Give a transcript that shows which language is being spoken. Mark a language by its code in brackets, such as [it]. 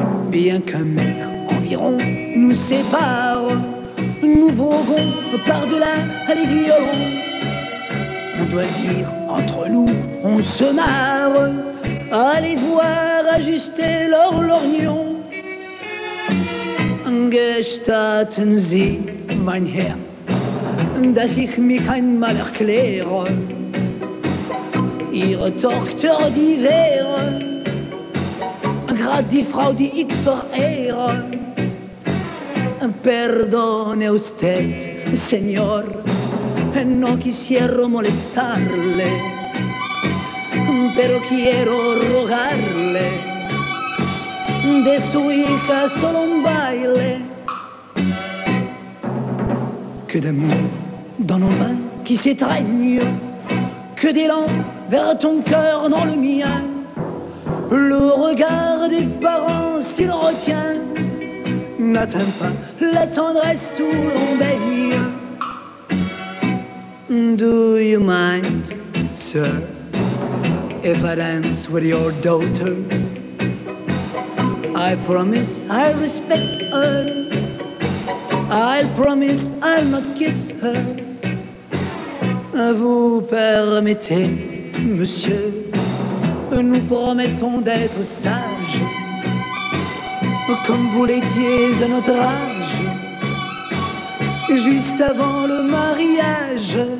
[fr] Bien qu'un mètre environ nous sépare, nous voguons par-delà les violons. On doit dire entre nous, on se marre. Allez voir ajuster leur lorgnon. [de] Gestatten Sie, mein Herr, dass ich mich einmal erkläre. Ihre Tochter, die wäre gerade die Frau, die ich verehre. [es] Perdone usted, señor, no quisiera molestarle, pero quiero rogarle de su hija solo un baile. [fr] Que d'amour dans nos mains qui s'étreignent, que d'élan vers ton cœur dans le mien. Le regard des parents s'il retient n'atteint pas la tendresse où l'on baigne. [en] Do you mind, sir, if I dance with your daughter? I promise I'll respect her. I promise I'll not kiss her. [fr] Vous permettez, monsieur, nous promettons d'être sages, comme vous l'étiez à notre âge, juste avant le mariage.